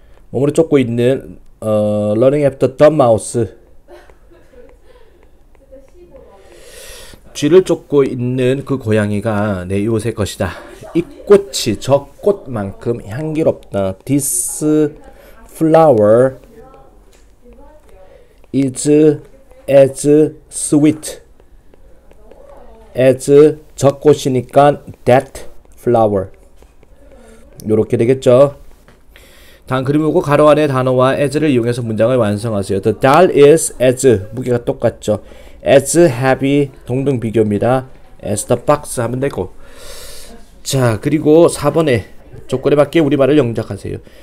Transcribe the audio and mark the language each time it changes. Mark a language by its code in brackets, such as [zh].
[ko] 몸으로 쫓고 있는 [en] Running after the mouse. [ko] 쥐를 쫓고 있는 그 고양이가 내 이웃의 것이다. 이 꽃이 저 꽃만큼 향기롭다. [en] This flower is as sweet as 저 꽃이니까 that flower. [ko] 요렇게 되겠죠? 다음 그림을 보고 가로 안에 단어와 as를 이용해서 문장을 완성하세요. [en] The doll is as [ko] 무게가 똑같죠? [en] As heavy [ko] 동등 비교입니다. [en] As the box [ko] 하면 되고. 자, 그리고 4번에 조건에 맞게 우리말을 영작하세요.